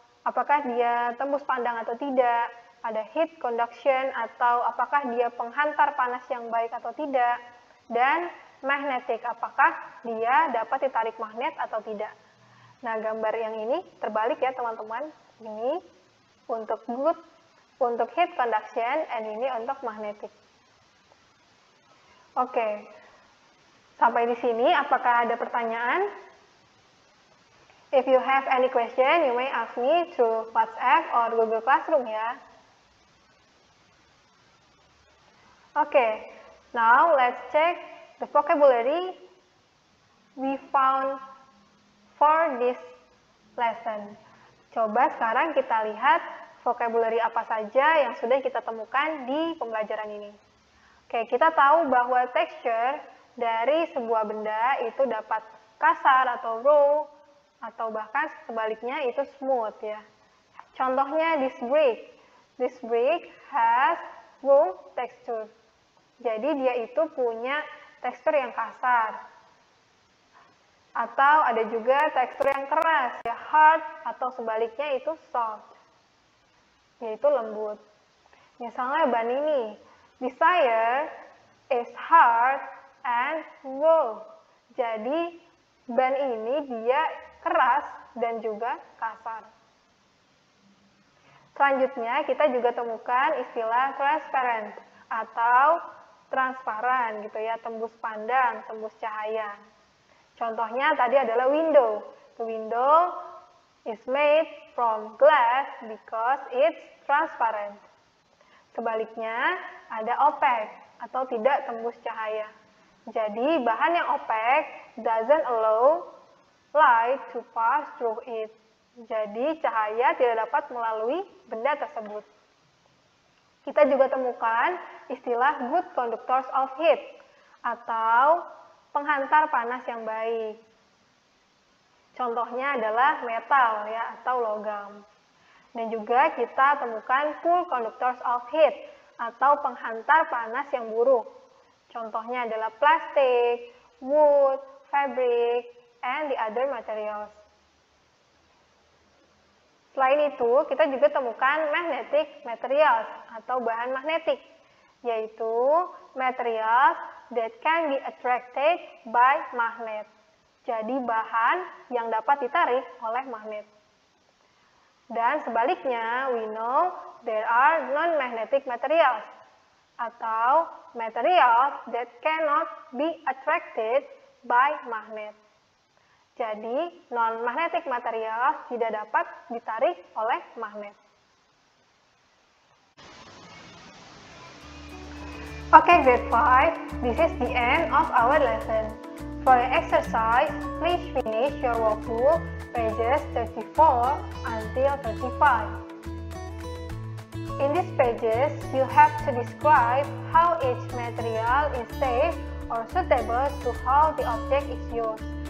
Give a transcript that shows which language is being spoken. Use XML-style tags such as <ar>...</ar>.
<id>apakah dia tembus pandang atau tidak, ada heat conduction atau apakah dia penghantar panas yang baik atau tidak, dan magnetic, apakah dia dapat ditarik magnet atau tidak. Nah, gambar yang ini terbalik ya teman-teman, ini untuk good, untuk heat conduction, and ini untuk magnetic. Oke, sampai di sini, apakah ada pertanyaan?</id> <en>If you have any question, you may ask me through WhatsApp or Google Classroom ya. Oke, now let's check the vocabulary we found for this lesson.</en> <id>Coba sekarang kita lihat vocabulary apa saja yang sudah kita temukan di pembelajaran ini. Oke, kita tahu bahwa texture dari sebuah benda itu dapat kasar atau rough, atau bahkan sebaliknya itu smooth ya. Contohnya</id> <en>this brick. This brick has rough texture.</en> <id>Jadi dia itu punya tekstur yang kasar. Atau ada juga tekstur yang keras ya, hard, atau sebaliknya itu soft, yaitu lembut. Misalnya ban ini,</id> <en>desire is hard and wool.</en> <id>Jadi ban ini dia keras dan juga kasar. Selanjutnya kita juga temukan istilah transparent atau transparan gitu ya, tembus pandang, tembus cahaya. Contohnya tadi adalah window.</id> <en>The window is made from glass because it's transparent.</en> <id>Sebaliknya, ada opaque atau tidak tembus cahaya. Jadi, bahan yang</id> <en>opaque doesn't allow light to pass through it.</en> <id>Jadi, cahaya tidak dapat melalui benda tersebut. Kita juga temukan istilah</id> <en>good conductors of heat</en> <id>atau penghantar panas yang baik. Contohnya adalah metal ya, atau logam. Dan juga kita temukan</id> <en>poor conductors of heat</en> <id>atau penghantar panas yang buruk. Contohnya adalah plastik,</id> <en>wood, fabric, and the other materials.</en> <id>Selain itu, kita juga temukan magnetic materials atau bahan magnetik, yaitu</id> <en>materials that can be attracted by magnet.</en> <id>Jadi, bahan yang dapat ditarik oleh magnet. Dan sebaliknya,</id> <en>we know there are non-magnetic materials</en> <id>atau</id> <en>materials that cannot be attracted by magnet.</en> <id>Jadi, non-magnetic materials tidak dapat ditarik oleh magnet.</id> <en>Okay, grade 5, this is the end of our lesson. For your exercise, please finish your workbook, pages 34 until 35. In these pages, you have to describe how each material is safe or suitable to how the object is used.</en>